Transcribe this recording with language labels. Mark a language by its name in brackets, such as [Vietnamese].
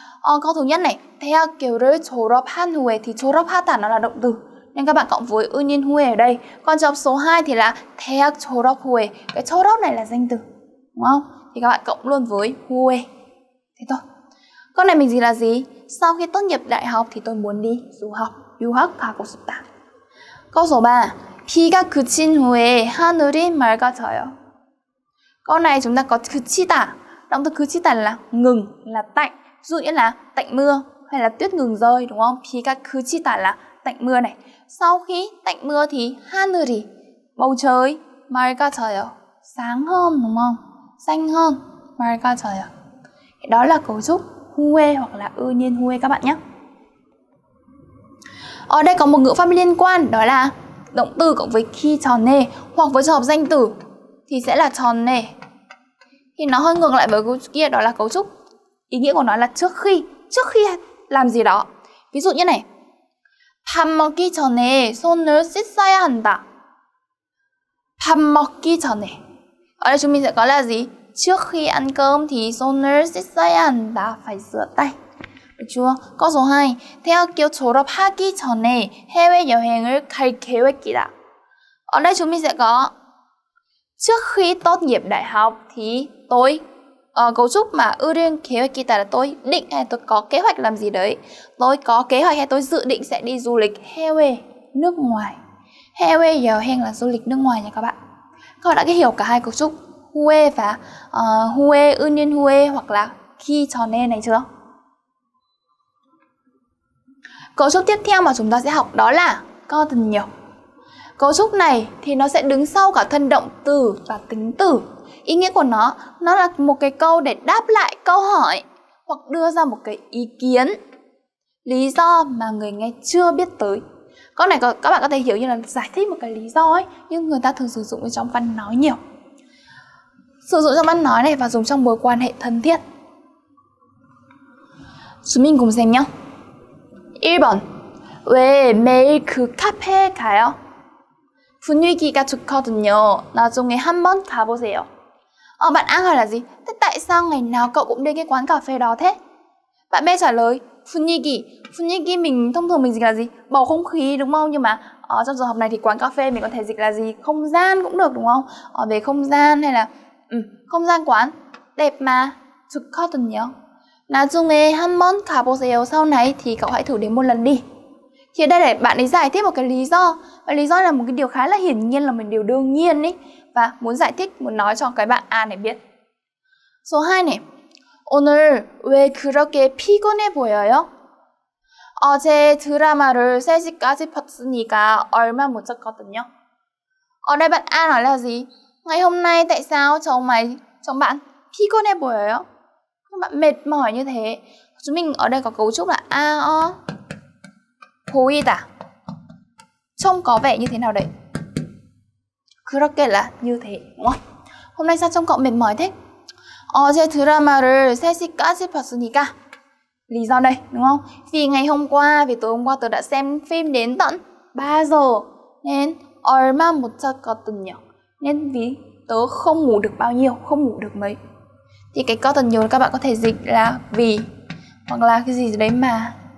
[Vietnamese] Câu thứ nhất này, [Korean] 대학교를 졸업한 후에 [Vietnamese] thì 졸업하다 nó là động từ, nên các bạn cộng với 은인 후에 ở đây. Còn trong số 2 thì là 대학 졸업 후에, cái 졸업 này là danh từ, đúng không? Thì các bạn cộng luôn với 후에. Thế thôi. Câu này mình dịch là gì? Sau khi tốt nghiệp đại học thì tôi muốn đi du học. [Korean] 유학 가고 싶다. [Vietnamese] Câu số 3. [Korean] 비가 그친 후에 하늘이 맑아져요. [Vietnamese] Câu này chúng ta có 그치다. Động từ 그치다 là ngừng, là tạnh. Ví dụ như là tạnh mưa hay là tuyết ngừng rơi, đúng không? [Korean] 비가 그치다 [Vietnamese] là tạnh mưa này. Sau khi tạnh mưa thì 하늘이, bầu trời, 맑아져요, sáng hơn, đúng không? Xanh hơn, 맑아져요. Đó là cấu trúc hue hoặc là ư nhiên hue các bạn nhé. Ở đây có một ngữ pháp liên quan, đó là động từ cộng với khi tròn nề, hoặc với trường hợp danh từ thì sẽ là tròn nề. Thì nó hơi ngược lại với cấu trúc kia, đó là cấu trúc ý nghĩa của nó là trước khi, trước khi làm gì đó. Ví dụ như này, [Korean] 밥 먹기 전에 손을 씻어야 한다. 밥 먹기 전에. [Vietnamese] Ở đây chúng mình sẽ có là gì? Trước khi ăn cơm thì [Korean] 손을 씻어야 한다, [Vietnamese] phải rửa tay. Được chưa? Câu số 2. [Korean] 대학교 졸업하기 전에 해외여행을 갈 계획이다. [Vietnamese] Ở đây chúng mình sẽ có trước khi tốt nghiệp đại học thì tôi cấu trúc mà 으려는 계획이다 là tôi định hay tôi có kế hoạch làm gì đấy. Tôi có kế hoạch hay tôi dự định sẽ đi du lịch 해외, nước ngoài. 해외여행 là du lịch nước ngoài nha các bạn. Các bạn đã hiểu cả hai cấu trúc hue và hue, ưu nhiên hue hoặc là khi tròn nên này chưa? Cấu trúc tiếp theo mà chúng ta sẽ học đó là cotton nhiều. Cấu trúc này thì nó sẽ đứng sau cả thân động từ và tính từ. Ý nghĩa của nó là một cái câu để đáp lại câu hỏi hoặc đưa ra một cái ý kiến, lý do mà người nghe chưa biết tới. Câu này các bạn có thể hiểu như là giải thích một cái lý do ấy, nhưng người ta thường sử dụng trong văn nói nhiều. Sử dụng trong văn nói này và dùng trong mối quan hệ thân thiết. Chúng mình cùng xem nhé. [Korean] 1번. 왜 매일 그 카페 가요? 분위기가 좋거든요. 나중에 한번 가보세요. 어, [Vietnamese] bạn A hỏi là gì? Thế tại sao ngày nào cậu cũng đến cái quán cà phê đó thế? Bạn B trả lời, 분위기. 분위기 mình thông thường mình dịch là gì? Bầu không khí đúng không? Nhưng mà ở trong giờ học này thì quán cà phê mình có thể dịch là gì? Không gian cũng được đúng không? Ở về không gian hay là không gian quán đẹp mà, 좋거든요. [Korean] 나중에 한번 가보세요. [Vietnamese] Sau này thì cậu hãy thử đến một lần đi. Thì ở đây để bạn ấy giải thích một cái lý do. Và lý do là một cái điều khá là hiển nhiên, là mình điều đương nhiên ý. Và muốn giải thích, muốn nói cho cái bạn A này biết. Số 2 này. [Korean] 오늘 왜 그렇게 피곤해 보여요? 어제 드라마를 3시까지 봤으니까 얼마 못 잤거든요. [Vietnamese] Ở đây bạn A nói là gì? Ngày hôm nay tại sao chồng bạn [Korean] 피곤해 보여요? [Vietnamese] Bạn mệt mỏi như thế. Chúng mình ở đây có cấu trúc là A, O, 보이다. Trông có vẻ như thế nào đấy? 그렇게 là như thế, đúng không? Hôm nay sao trông cậu mệt mỏi thế? [Korean] 어제 드라마를 3시까지 봤으니까. [Vietnamese] Lý do đây, đúng không? Vì ngày hôm qua, vì tối hôm qua tớ đã xem phim đến tận 3 giờ. [Korean] Nên 얼마 못 잤거든요. [Vietnamese] Nên vì tớ không ngủ được bao nhiêu, không ngủ được mấy. Thì cái có tần nhiều các bạn có thể dịch là vì, hoặc là cái gì đấy mà.